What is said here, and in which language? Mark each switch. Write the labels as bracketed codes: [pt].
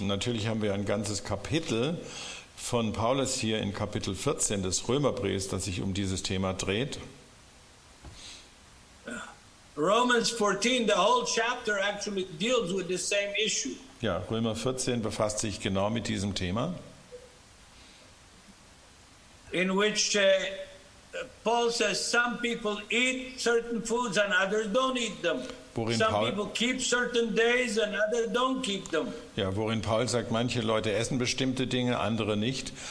[de] Natürlich haben wir ein ganzes Kapitel von Paulus hier in Kapitel 14 des Römerbriefs, das sich um dieses Thema dreht. [en] Romans 14, the whole chapter actually deals with the same issue. [de] Ja, Römer 14 befasst sich genau mit diesem Thema. [en] In which Paul says some people eat certain foods and others don't eat them. People keep certain days and others don't keep them. [de] Ja, worin Paul sagt, manche Leute essen bestimmte Dinge, andere nicht.